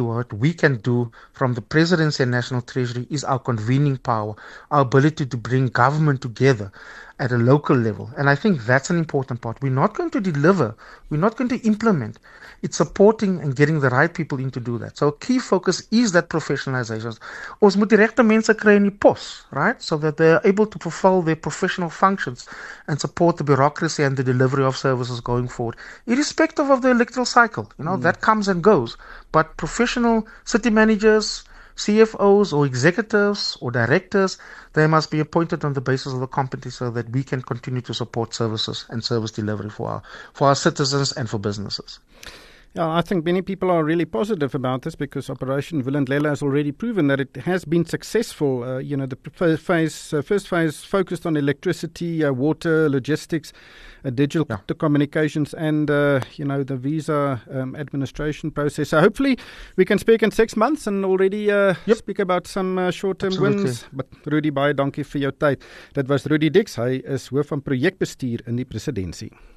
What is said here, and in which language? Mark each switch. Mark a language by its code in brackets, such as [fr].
[en] What we can do from the presidency and national treasury is our convening power, our ability to bring government together at a local level. And I think that's an important part. We're not going to deliver. We're not going to implement. It's supporting and getting the right people in to do that. So a key focus is that professionalization. [af] Ons moet die regte mense kry in die pos, right? [en] So that they're able to fulfill their professional functions and support the bureaucracy and the delivery of services going forward, irrespective of the electoral cycle. You know, that comes and goes. But professional city managers, CFOs or executives or directors, they must be appointed on the basis of the competency so that we can continue to support services and service delivery for our citizens and for businesses. Yeah, I think many people are really positive about this because Operation Vulindlela has already proven that it has been successful. You know, the first phase focused on electricity, water, logistics, digital communications, and you know, the visa administration process. So hopefully, we can speak in 6 months and already speak about some short-term wins. [af] But Rudy, baie dankie vir jou tyd. Dit was Rudy Dix. Hy is hoof van projekbestuur in die presidentie.